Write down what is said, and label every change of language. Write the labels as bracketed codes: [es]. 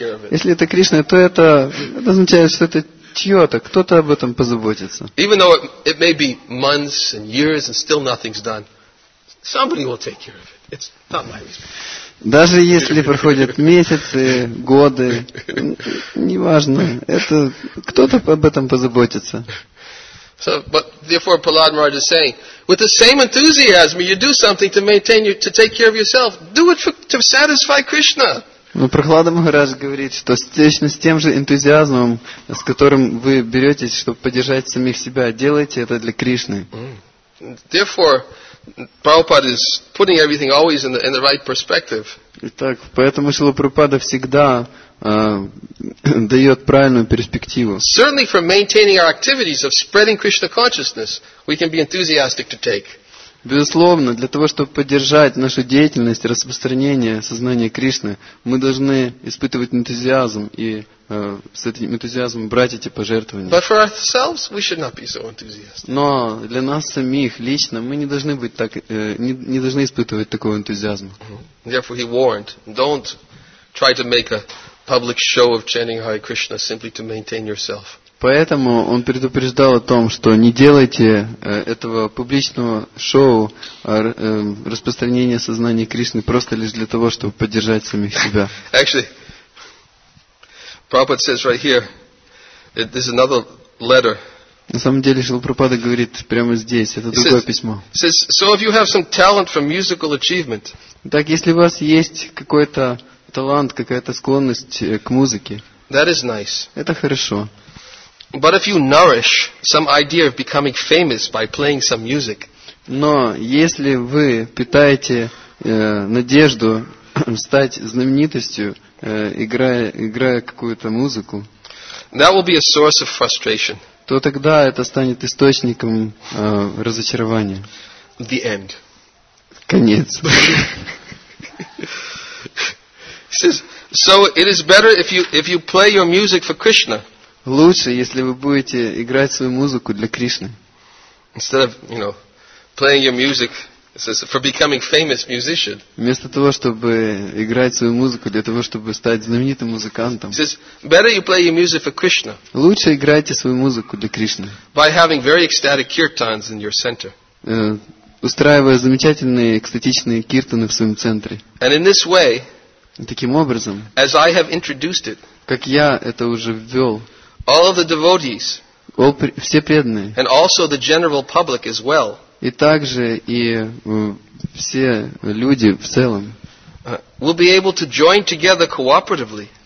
[ru] Если это Кришна, то это означает, что это чье-то, кто-то об этом позаботится. [en] Even though it may be months and years and still nothing's done, somebody will take care of it. It's not my responsibility. [ru] Даже если проходят месяцы, годы, неважно, это кто-то об этом позаботится. [en] So, but therefore, Prahlad Maharaj is saying, with the same enthusiasm, you do something to maintain you, to take care of yourself. Do it to satisfy Krishna. [ru] Но Прохлад Махарадж говорит, что точно с тем же энтузиазмом, с которым вы беретесь, чтобы поддержать самих себя, делайте это для Кришны. [en] Therefore, Prabhupada is putting everything always in the right perspective. [ru] Итак, поэтому Шрила Прабхупада всегда дает правильную перспективу. [en] Certainly for maintaining our activities of spreading Krishna consciousness, we can be enthusiastic to take. [ru] Безусловно, для того, чтобы поддержать нашу деятельность распространения сознания Кришны, мы должны испытывать энтузиазм и с этим энтузиазмом брать эти пожертвования. [en] But for ourselves, we should not be so enthusiastic. [ru] Но для нас самих, лично, мы не должны быть так, не должны испытывать такого энтузиазма. [en] Therefore, he warned, don't try to make a public show of chanting Hare Krishna simply to maintain yourself. [ru] Поэтому он предупреждал о том, что не делайте этого публичного шоу распространения сознания Кришны просто лишь для того, чтобы поддержать самих себя. [en] Actually, Prabhupada says right here, that this is another letter. [ru] На самом деле, Шрила Прабхупада говорит прямо здесь, это другое письмо. [en] Says, so if you have some talent for musical achievement. [ru] Так, если у вас есть какой-то талант, какая-то склонность к музыке. [en] That is nice. [ru] Это хорошо. [en] But if you nourish some idea of becoming famous by playing some music. [ru] Но если вы питаете надежду стать знаменитостью, играя какую-то музыку. [en] That will be a source of frustration. [ru] То тогда это станет источником разочарования. [en] The end. [ru] Конец. [en] So it is better if you play your music for Krishna. [ru] Лучше, если вы будете играть свою музыку для Кришны. [en] Instead of, you know, playing your music for becoming famous musician. [ru] Вместо того, чтобы играть свою музыку для того, чтобы стать знаменитым музыкантом. [en] Better you play your music for Krishna. [ru] Лучше играйте свою музыку для Кришны. [en] By having very ecstatic kirtans in your center. [ru] Устраивая замечательные экстатичные киртаны в своем центре. [en] And in this way. [ru] Таким образом, [en] as I have introduced it, [ru] как я это уже ввел, [en] all of the devotees, [ru] все преданные, [en] and also the general public as well, [ru] и также и все люди в целом, [en] will be able to join together cooperatively,